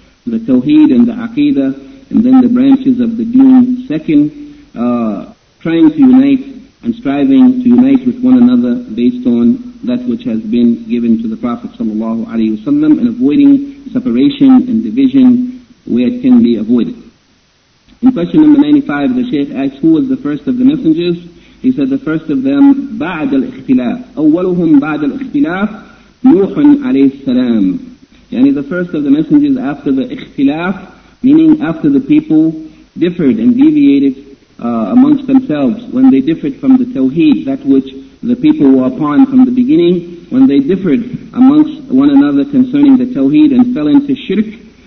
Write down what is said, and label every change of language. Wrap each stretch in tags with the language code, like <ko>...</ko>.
<en>the Tawheed and the Aqeedah, and then the branches of the deen second, trying to unite and striving to unite with one another based on that which has been given to the Prophet sallallahu alaihi wasallam, and avoiding separation and division where it can be avoided. In question number 95, the Shaykh asks, who was the first of the messengers? He said, the first of them,</en> <ar>بعد الاختلاف. أولهم بعد الاختلاف, نوح عليه السلام.</ar> <en>Yani the first of the messengers after the اختلاف, meaning after the people differed and deviated amongst themselves, when they differed from the Tawheed, that which the people were upon from the beginning, when they differed amongst one another concerning the Tawheed and fell into Shirk.</en>